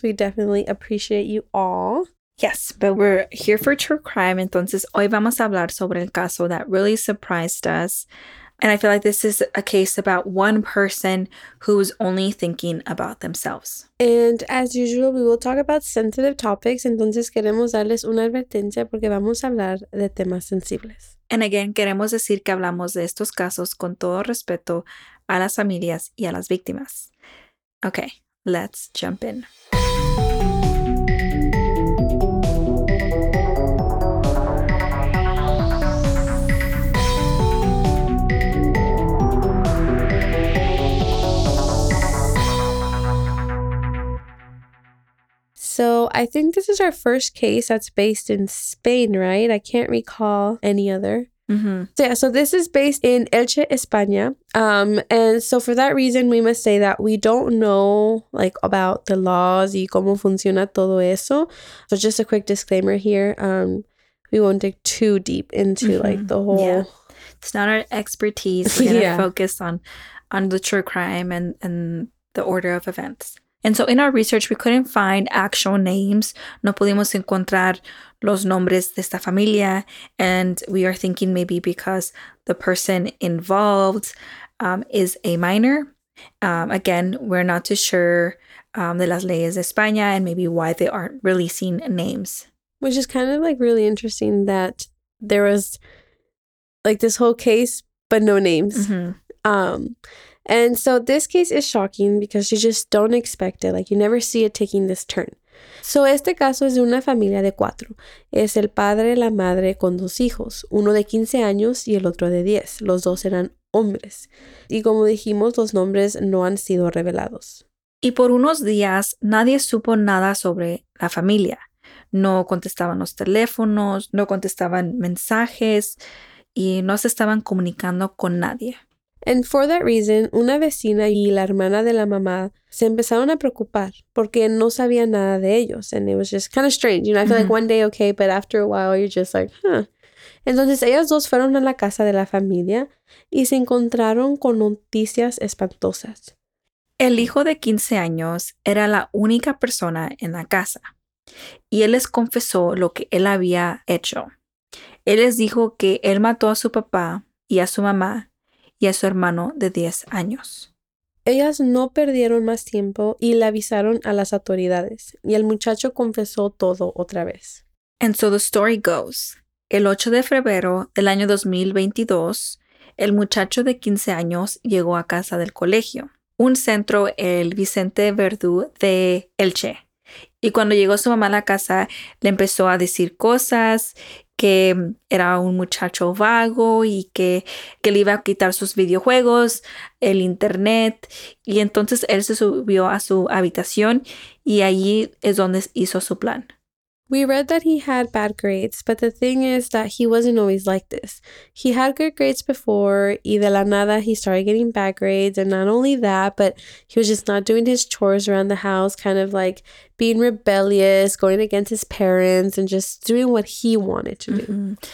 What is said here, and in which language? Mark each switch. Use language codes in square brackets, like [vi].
[en] We definitely appreciate you all. Yes, but we're here for true crime. [es] Entonces, hoy vamos a hablar sobre el caso [en] that really surprised us. And I feel like this is a case about one person who is only thinking about themselves. And as usual, we will talk about sensitive topics. [es] Entonces, queremos darles una advertencia porque vamos a hablar de temas sensibles. [en] And again, [es] queremos decir que hablamos de estos casos con todo respeto a las familias y a las víctimas. [en] Okay, let's jump in. So I think this is our first case that's based in Spain, right? I can't recall any other. Mm-hmm. So yeah, so this is based in Elche, España. And so for that reason, we must say that we don't know like about the laws [es] y cómo funciona todo eso. [en] So just a quick disclaimer here. We won't dig too deep into like the whole... Yeah. It's not our expertise. We're going to focus on the true crime and the order of events. And so in our research, we couldn't find actual names. [es] No pudimos encontrar los nombres de esta familia. [en] And we are thinking maybe because the person involved is a minor. Again, we're not too sure [es] de las leyes de España [en] and maybe why they aren't releasing names. Which is kind of like really interesting that there was like this whole case, but no names. Mm-hmm. And so this case is shocking because you just don't expect it. Like, you never see it taking this turn. [es] So este caso es de una familia de 4. Es el padre, la madre con 2 hijos. Uno de 15 años y el otro de 10. Los dos eran hombres. Y como dijimos, los nombres no han sido revelados. Y por unos días nadie supo nada sobre la familia. No contestaban los teléfonos, no contestaban mensajes y no se estaban comunicando con nadie. [en] And for that reason, [es] una vecina y la hermana de la mamá se empezaron a preocupar porque no sabía nada de ellos. [en] And it was just kind of strange. You know, I feel like one day, okay, but after a while, you're just like, huh. [es] Entonces, ellas dos fueron a la casa de la familia y se encontraron con noticias espantosas. El hijo de 15 años era la única persona en la casa. Y él les confesó lo que él había hecho. Él les dijo que él mató a su papá y a su mamá y a su hermano de 10 años. Ellas no perdieron más tiempo y le avisaron a las autoridades. Y el muchacho confesó todo otra vez. [en] And so the story goes. [es] El 8 de febrero del año 2022, el muchacho de 15 años llegó a casa del colegio. Un centro, el Vicente Verdú de Elche. Y cuando llegó su mamá a la casa, le empezó a decir cosas... que era un muchacho vago y que le iba a quitar sus videojuegos, el internet. Y entonces él se subió a su habitación y allí es donde hizo su plan. [en] We read that he had bad grades, but the thing is that he wasn't always like this. He had good grades before [es] y de la nada [en] he started getting bad grades. And not only that, but he was just not doing his chores around the house, kind of like being rebellious, going against his parents and just doing what he wanted to do.